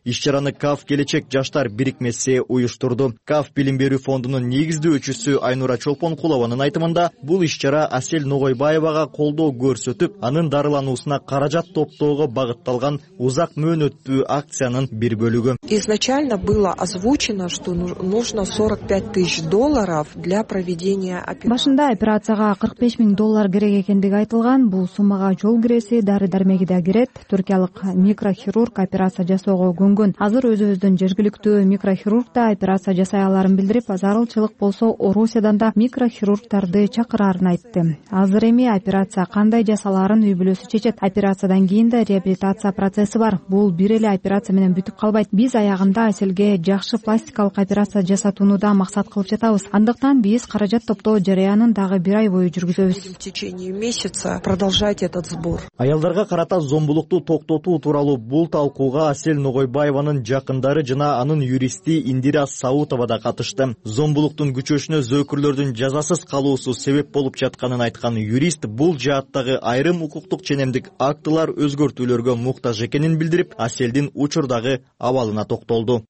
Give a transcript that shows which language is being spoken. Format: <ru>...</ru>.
<ky>Иш-чараны КАФ Келечек жаштар бирикмеси уюштурду. КАФ билим берүү фондунун негиздөөчүсү Айнура Чолпонкулованын айтымында, бул иш-чара Асель Ногойбаевага колдоо көрсөтүп, анын дарылануусуна каражат топтоого багытталган узак мөөнөттүү акциянын бир бөлүгү.</ky> <ru>Изначально было озвучено, что нужно $45,000 для проведения операции.</ru> <ky>Башында операцияга $45,000 керек экендиги айтылган. Бул суммага жол киреси, дары-дармек мегида кирет. Түркиялык микрохирург операция жасоого көнгөн. Азыр өзүбүздүн жергиликтүү микрохирург да операция жасай аларын билдирип, зарылчылык болсо Орусиядан да микрохирург врачтарды чакырарын айтты. Азыр эми операция кандай жасаларын үй бүлөсү чечет. Операциядан кийин да реабилитация процесси бар. Бул бир эле операция менен бүтүп калбайт. Биз аягында Аселге жакшы пластикалык операция жасатууну да максат кылып жатабыз. Андыктан биз каражат топтоо жараянын дагы бир ай бою жүргүзөбүз.</ky> <ru>В течение месяца продолжать этот сбор.</ru> <ky>Аялдарга карата зомбулукту токтотуу тууралуу бул талкууга Асель Ногойбаеванын жакындары жана анын юристи Индира Саутова да катышты. Зомбулуктун күчөшүнө зөөкүрлөрдүн жазасыз калуусу себеп болуп жатканын айткан юрист бул жааттагы айрым укуктук ченемдик актылар өзгөртүүлөргө муктаж экенин билдирип, Аселдин учурдагы абалына токтолду.</ky>